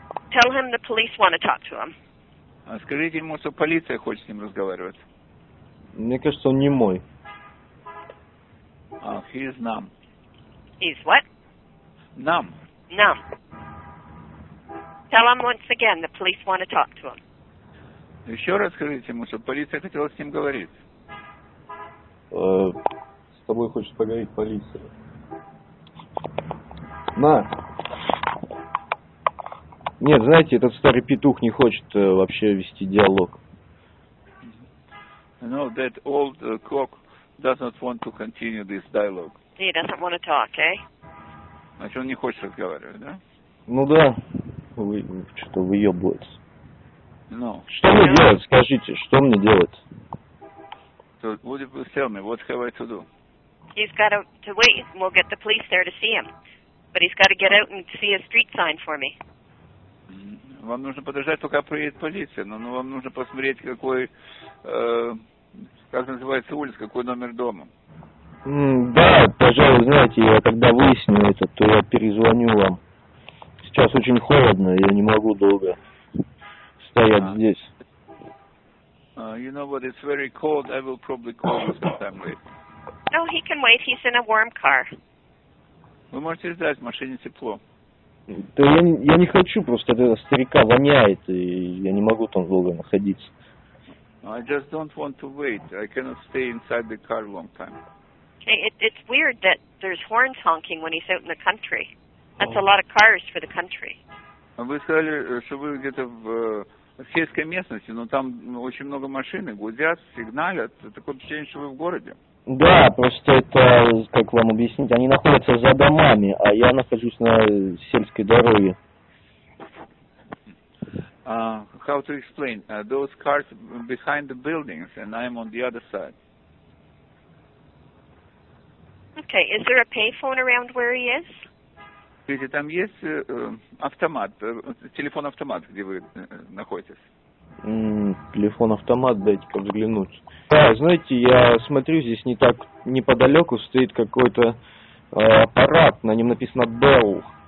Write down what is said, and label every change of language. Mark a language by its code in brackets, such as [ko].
[en] Tell him the police want to talk to him. [ru] Скажите ему, что полиция хочет с ним разговаривать. Мне кажется, он не мой. [en] He is numb. He is what? Numb. Numb. Tell him once again, the police want to talk to him. [ru] Еще раз скажите ему, что полиция хотела с ним говорить. С тобой хочет поговорить полиция. На. Нет, знаете, этот старый петух не хочет вообще вести диалог. [en] No, that old cock does not want to continue this dialogue. He doesn't want to talk, eh? [ru] Значит, он не хочет разговаривать, да? Ну да. Что-то выебывается. [en] No. [ru] Что мне делать? Скажите, что мне делать? [en] So, would you please tell me, what have I to do? He's got to wait, and we'll get the police there to see him. But he's got to get out and see a street sign for me. [ru] Вам нужно подождать, пока приедет полиция. Но вам нужно посмотреть, какой... как называется улица, какой номер дома. Да, пожалуй, знаете, я когда выясню это, то я перезвоню вам. Сейчас очень холодно, я не могу долго стоять здесь. [en] You know what, it's very cold, I will probably call you sometime later. No, he can wait, he's in a warm car. [ru] Вы можете ждать, в машине тепло. Да я не хочу, просто этого старика воняет, и я не могу там долго находиться. [en] I just don't want to wait, I cannot stay inside the car long time. It's weird that there's horns honking when he's out in the country. That's a lot of cars for the country. [ru] Вы сказали, что вы где-то в сельской местности, но там очень много машин, гудят, сигналят. Такое впечатление, что вы в городе. Да, просто это, как вам объяснить, они находятся за домами, а я нахожусь на сельской дороге. [en] How to explain? Those cars behind the buildings, and I'm on the other side. Okay, is there a payphone around where he is? [ru] Видите, там есть автомат, телефон-автомат, где вы находитесь. Телефон-автомат, дайте-ка взглянуть. Да, знаете, я смотрю, здесь не так неподалеку стоит какой-то аппарат, на нем написано Bell.